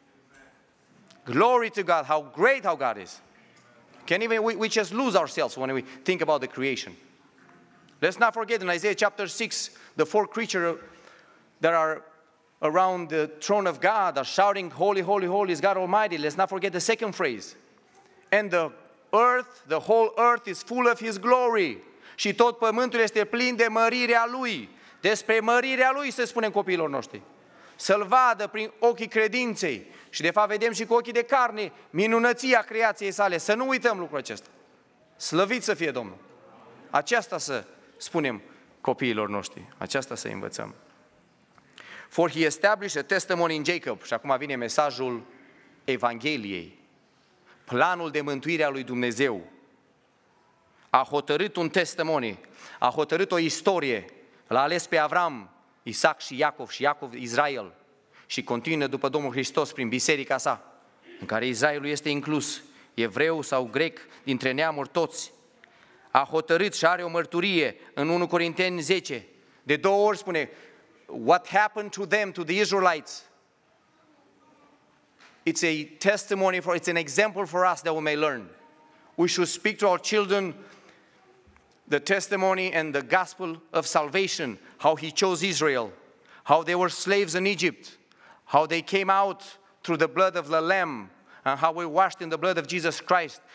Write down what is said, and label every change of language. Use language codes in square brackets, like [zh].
[en] Amen. Glory to God, how great how God is. Can't even, we just lose ourselves when we think about the creation. Let's not forget in Isaiah chapter 6, the four creatures that are around the throne of God are shouting, holy, holy, holy is God Almighty. Let's not forget the second phrase. And the earth, the whole earth is full of His glory. [ro] Și tot pământul este plin de mărirea Lui. Despre mărirea Lui să spunem copiilor noștri. Să-L vadă prin ochii credinței. Și de fapt vedem și cu ochii de carne minunăția creației sale. Să nu uităm lucrul acesta. Slăvit să fie Domnul. Aceasta să spunem copiilor noștri. Aceasta să învățăm. [en] For He established a testimony in Jacob. [ro] Și acum vine mesajul Evangheliei. Planul de mântuire a Lui Dumnezeu. A hotărât un testimony, a hotărât o istorie, l-a ales pe Avram, Isaac și Iacov, și Iacov, Israel, și continuă după Domnul Hristos prin biserica sa, în care Israelul este inclus, evreu sau grec, dintre neamuri toți. A hotărât și are o mărturie în 1 Corinteni 10, de două ori spune, [en] what happened to them, to the Israelites? It's a testimony, it's an example for us that we may learn. We should speak to our children the testimony and the gospel of salvation, how He chose Israel, how they were slaves in Egypt, how they came out through the blood of the Lamb, and how we washed in the blood of Jesus Christ.